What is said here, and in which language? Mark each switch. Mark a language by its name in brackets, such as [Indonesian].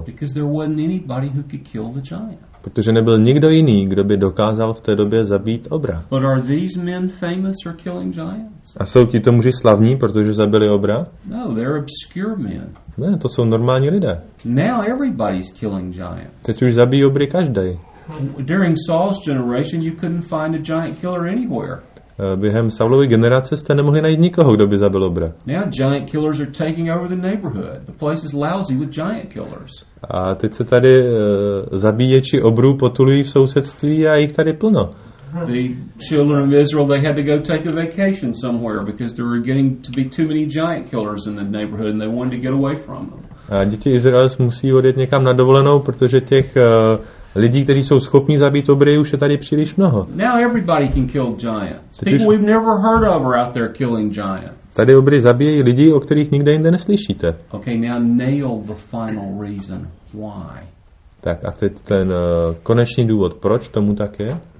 [English] Because there wasn't anybody who could kill the giant. [Czech] Protože nebyl nikdo jiný, kdo by dokázal v té době zabít obra. [English] But are these men famous for killing giants? [Czech] A jsou tito muži slavní, protože zabili obra? [English] No, they're obscure men. [Czech] Ne, to jsou normální lidé. [English] Now everybody's killing giants. [Czech] Teď už zabijí obry každý. [English] During Saul's generation you couldn't find a giant killer anywhere. [Czech] Během Saulovy generace jste nemohli najít nikoho, kdo by zabil obra. [English] Now giant killers are taking over the neighborhood. The place is lousy with giant killers. [Czech] A teď se tady zabíječi obrů potulují v sousedství a jich tady plno. [English] The children of Israel, they had to go take a vacation somewhere because there were getting to be too many giant killers in the neighborhood and they wanted to get away from them. [Czech] A děti Izraels musí odjet někam na dovolenou, protože těch lidí, kteří jsou schopni zabít obry, už je tady příliš mnoho. [English] Now everybody can kill giants. People we've never heard of are out there killing giants. [Czech] Tady obry zabíjí lidi, o kterých nikde jinde neslyšíte. [English] Okay, now nail the final reason why. [Czech] Tak a teď ten konečný důvod, proč tomu tak je?